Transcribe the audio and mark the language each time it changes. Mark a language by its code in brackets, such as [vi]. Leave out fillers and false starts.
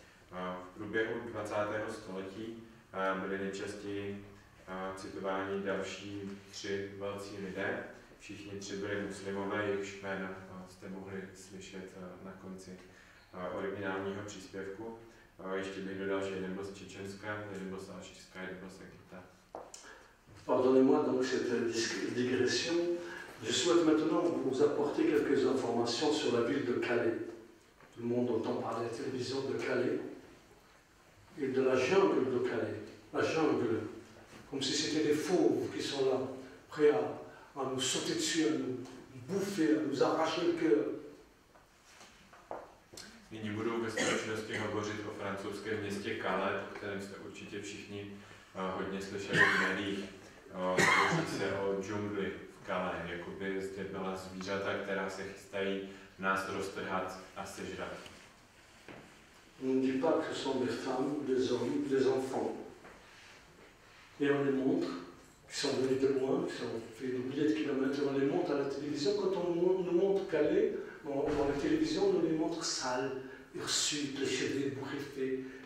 [cs] V průběhu 20. století byli nejčastěji citováni další tři velcí lidé. Všichni tři byli muslimové, jejichž jména jste mohli slyšet na konci originálního příspěvku. Ještě bych dodal, že jeden byl z Čečenska, jeden byl z Alžírska, jeden byl z Egypta. [fr] Pardonnez-moi donc cette digression. Je souhaite maintenant vous apporter quelques informations sur la ville de Calais. Tout le monde entend parler à la télévision de Calais et de la jungle de Calais. La jungle, comme si c'était des fauves qui sont là, prêts à nous sauter dessus, à nous bouffer, à nous arracher le cœur. [cs] Nyní budu ve stručnosti hovořit o francouzském městě Calais, o kterém jste určitě všichni hodně slyšeli v médiích. Hovoří se o džungli v Calais, jako by zde byla zvířata, která se chystají nás roztrhat a sežrat. [fr] On ne dit pas que ce sont des femmes, des hommes, des enfants. Et on les montre, qui sont venus de loin, qui sont fait des milliers de kilomètres, on les montre à la télévision. Quand on nous montre Calais, dans la télévision, on les montre sales, hirsutes, déchaînés, briefés.